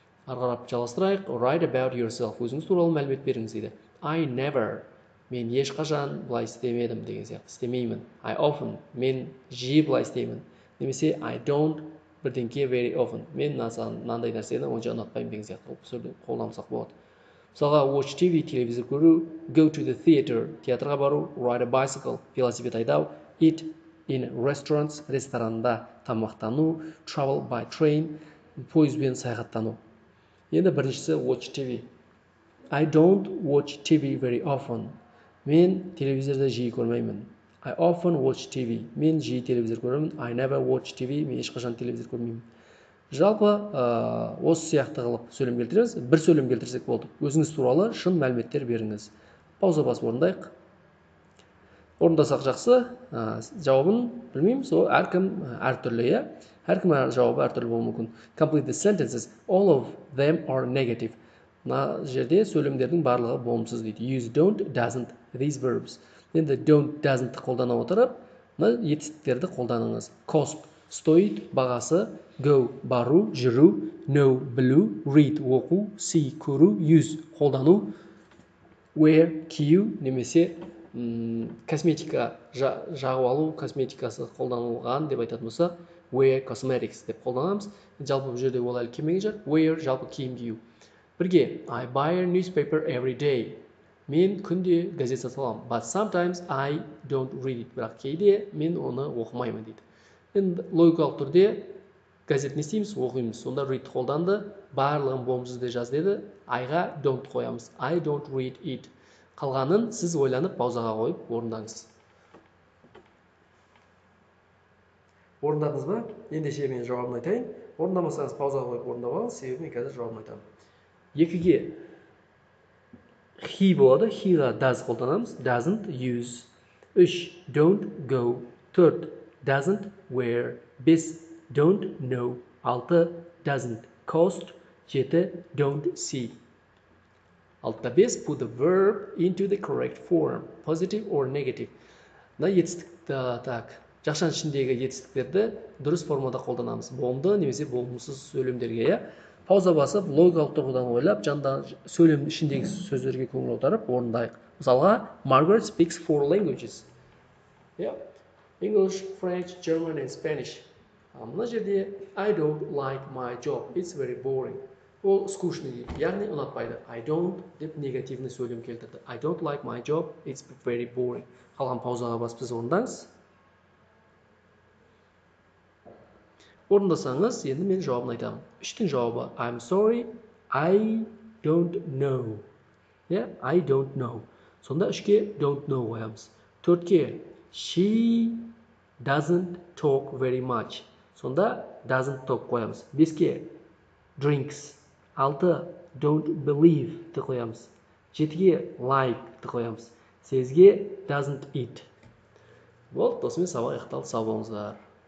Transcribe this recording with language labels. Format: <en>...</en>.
<kk>Ары қарап жалғастырайық.</kk> <en>Write about yourself.</en> <kk>Өзіңіз туралы мәлімет беріңіз дейді.</kk> <en>I never.</en> <kk>Мен ешқашан былай істемедім деген сияқты. Істемеймін.</kk> <en>I often.</en> <kk>Мен жиі былай істеймін.</kk> <en>Немесе I don't бірдеңке very often.</en> <kk>Мен мынандай нәрсені онша ұнатпаймын деген сияқты. Сөйлеп қолдансақ болады.</kk> <en>Мысалға, watch TV,</en> <kk>телевизор көру,</kk> <en>go to the theater,</en> <kk>театрға бару,</kk> <en>ride a bicycle,</en> <kk>велосипед айдау,</kk> <en>eat in restaurants,</en> <kk>ресторанда тамақтану,</kk> <en>travel by train,</en> <kk>поездбен саяхаттану. Енді біріншісі watch TV.</kk> <en>I don't watch TV very often.</en> <kk>Мен телевизорды жиі көрмеймін.</kk> <en>I often watch TV.</en> <kk>Мен жиі телевизор көремін.</kk> <en>I never watch TV.</en> <kk>Мен ешқашан телевизор көрмеймін. Жалпы, осы сияқты қылып сөйлем келтіреміз. Бір сөйлем келтірсек болды. Өзіңіз туралы шын мәліметтер беріңіз. Пауза басып орындайық. Орындасақ жақсы. Жауабын білмеймін. Сол әркім әртүрлі. Әркім жауабы әртүрлі болуы мүмкін.</kk> <en>Complete the sentences. All of them are negative.</en> <kk>Мына жерде сөйлемдердің барлығы болымсыз дейді.</kk> <en>Use don't, doesn't, these verbs.</en> <kk>Енді don't, doesn't қолдана отырып, мына етістіктерді қолданыңыз. Cost, стоит, бағасы. Go, бару, жүру. Know, білу. Read, оқу. See, көру. Use, қолдану. Wear, кию. Немесе, косметика жағу алу, косметикасы қолданылған деп айтатын болса,</kk> <en>wear cosmetics</en> <kk>деп қолданамыз. Жалпы бұл жерде ол әлі келмеген жер. Wear, жалпы киім кию.</kk> <en>Бірге, I buy a newspaper every day.</en> <kk>Мен күнде газет сатып аламын.</kk> <en>But sometimes I don't read it.</en> <kk>Бірақ кейде мен оны оқымаймын дейді. Енді логикалық түрде газет не істейміз? Оқимыз. Сонда read қолданды. Барлығын болымсыз деп жаз деді. I-ға don't қоямыз. I don't read it. Қалғанын сіз ойланып паузаға қойып орындаңыз. Орындадыңыз ба? Ендеше мен жауабын айтайын. Орындамасаңыз паузаға қойып орындап алыңыз. Себебі мен қазір жауабын айтамын. Екіге he болады, he-ға does қолданамыз,</kk> <en>doesn't use.</en> <kk>Үш,</kk> <en>don't go.</en> <kk>Төрт,</kk> <en>doesn't wear.</en> <kk>Бес,</kk> <en>don't know.</en> <kk>Алты,</kk> <en>doesn't cost.</en> <kk>Жеті,</kk> <en>don't see.</en> <kk>Алтыда бес,</kk> <en>put the verb into the correct form, positive or negative.</en> <kk>Мына етістікті так, жақшаның ішіндегі етістіктерді дұрыс формада қолданамыз. Болымды немесе болымсыз сөйлемдерге, иә. Пауза басып, логикалық тұрғыдан ойлап, жанда сөйлем ішіндегі сөздерге көңіл аударып орындайық.</kk> <en>Мысалға, Margaret speaks four languages. Yeah. English, French, German and Spanish.</en> <kk>Мына жерде</kk> <en>I don't like my job. It's very boring.</en> <kk>Ол скучный дейді, яғни ұнатпайды. I don't деп негативный сөйлем келтірді.</kk> <en>I don't like my job. It's very boring.</en> <kk>Қалған паузаға басып, сіз орындаңыз. Орындасаңыз, енді мен жауабын айтамын. Үштің жауабы,</kk> <en>I'm sorry, I don't know. Yeah, I don't know.</en> <kk>Сонда үшке don't know қоямыз. Төртке,</kk> <en>she doesn't talk very much.</en> <kk>Сонда</kk> <en>doesn't talk</en> <kk>қоямыз. Беске, drinks. Алты,</kk> <en>don't believe</en> <kk>ты қоямыз. Жетіге, like ты қоямыз. Сегізге,</kk> <en>doesn't eat.</en> <kk>Болды, досымен сабақ аяқталды, сау болыңыздар.</kk>